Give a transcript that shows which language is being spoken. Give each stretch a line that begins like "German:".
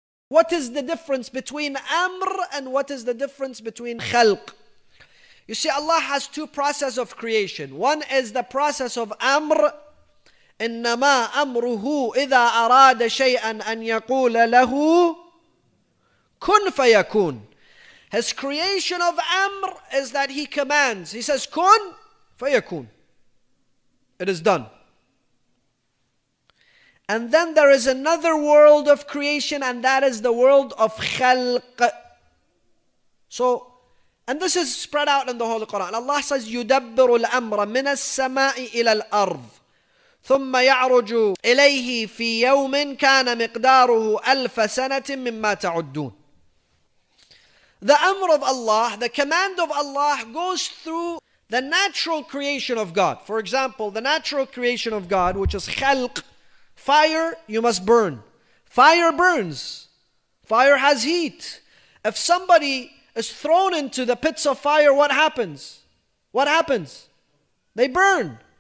English: What is the difference between amr and what is the difference between khalq? You see, Allah has two processes of creation. One is the process of amr.
Arabic: إِنَّمَا أَمْرُهُ إِذَا أَرَادَ شَيْئًا أَنْ يَقُولَ لَهُ كُنْ فَيَكُونَ.
English: His creation of amr is that he commands. He says, kun fayakun. It is done. And then there is another world of creation, and that is the world of khalq. So, and this is spread out in the Holy Quran.
Arabic: Allah says, يُدَبِّرُ الْأَمْرَ مِنَ السَّمَاءِ إِلَى الْأَرْضِ ثُمَّ يَعْرُجُ إِلَيْهِ فِي يَوْمٍ كَانَ مِقْدَارُهُ أَلْفَ سَنَةٍ مِمَّا تَعُدُّونَ.
English: The amr of Allah, the command of Allah, goes through the natural creation of God. For example, the natural creation of God, which is khalq, fire, you must burn. Fire burns. Fire has heat. If somebody is thrown into the pits of fire, what happens? What happens? They burn.